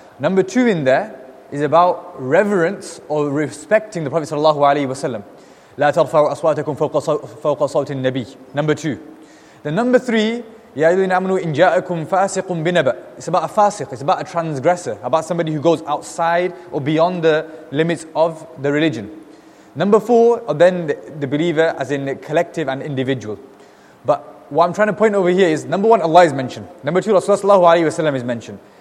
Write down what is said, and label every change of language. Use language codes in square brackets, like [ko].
[en] Number two in there is about reverence or respecting the Prophet sallallahu alayhi wa sallam. [ar] La tarfa'u aswatakum fawqa sawti an-nabi. [en] Number two. Then number three, [ar] يَا أَيُّهَا الَّذِينَ آمَنُوا إِنْ جَاءَكُمْ فَاسِقٌ بِنَبَأٍ. [en] It's about a fasiq, it's about a transgressor, about somebody who goes outside or beyond the limits of the religion. Number four, or then the believer as in collective and individual. But what I'm trying to point over here is, number one, Allah is mentioned. Number two, Rasulullah sallallahu alayhi wa sallam is mentioned.